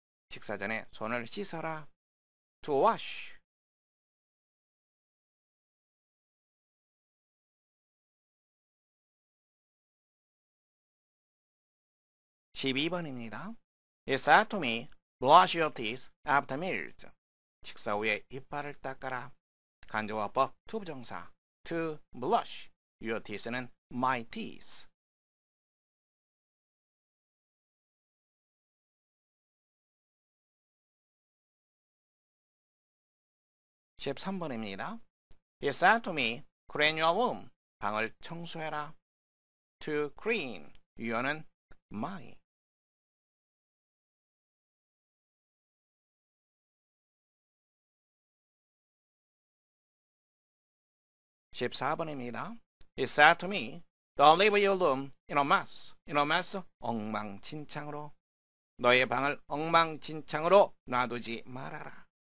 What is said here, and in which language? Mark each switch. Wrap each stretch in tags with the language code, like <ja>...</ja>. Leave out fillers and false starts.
<ko>식사 전에 손을 씻어라.</ko> <en>To wash.</en> <ko>12번입니다.</ko> <en>He said to me, "Brush your teeth after meals."</en> <ko>식사 후에 이빨을 닦아라. 간접화법 투부정사.</ko> <en>To blush.</en> <ko>Your teeth는 my teeth. 13번입니다.</ko> <en>He said to me, "Clean your room."</en> <ko>방을 청소해라.</ko> <en>To clean.</en> <ko>Your는 my. 14번입니다.</ko> <en>He said to me, "Don't leave your room in a mess." In a mess,</en> <ko>엉망진창으로. 너의 방을 엉망진창으로 놔두지 말아라.</ko>